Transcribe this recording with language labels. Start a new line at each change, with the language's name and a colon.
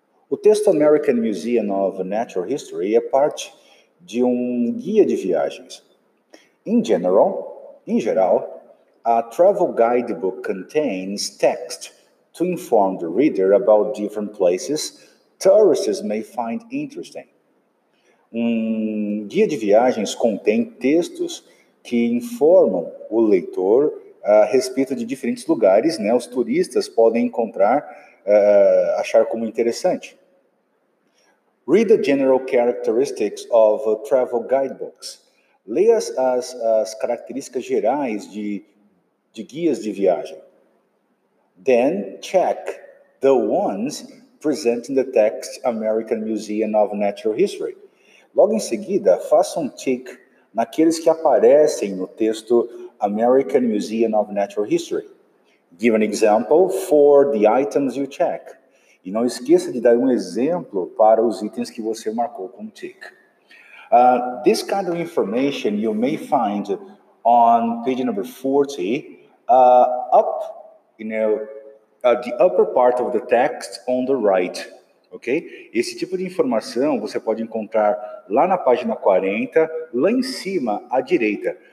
Portuguese: O texto American Museum of Natural History é parte de um guia de viagens.
English: In general, In geral, a travel guidebook contains text to inform the reader about different places tourists may find interesting.
Portuguese: Guia de viagens contém textos que informam o leitor a respeito de diferentes lugares, né, os turistas podem encontrar, achar como interessante.
English: Read the general characteristics of travel guidebooks.
Portuguese: Leia as características gerais de guias de viagem.
English: Then check the ones presenting the text American Museum of Natural History.
Portuguese: Logo em seguida, faça tick naqueles que aparecem no texto American Museum of Natural History.
English: Give an example for the items you check.
Portuguese: E não esqueça de dar exemplo para os itens que você marcou com tick.
English: This kind of information you may find on page number 40, the upper part of the text on the right. Okay?
Portuguese: Esse tipo de informação você pode encontrar lá na página 40, lá em cima, à direita.